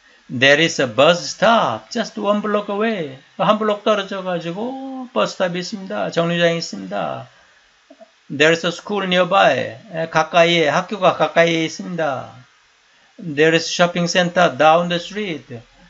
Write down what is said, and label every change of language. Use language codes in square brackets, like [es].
[en] There is a bus stop just one block away. [ko] 한 블록 떨어져 가지고 버스탑이 있습니다. 정류장이 있습니다. [en] There is a school nearby. [ko] 가까이에, 학교가 가까이에 있습니다. [en] There is a shopping center down the street.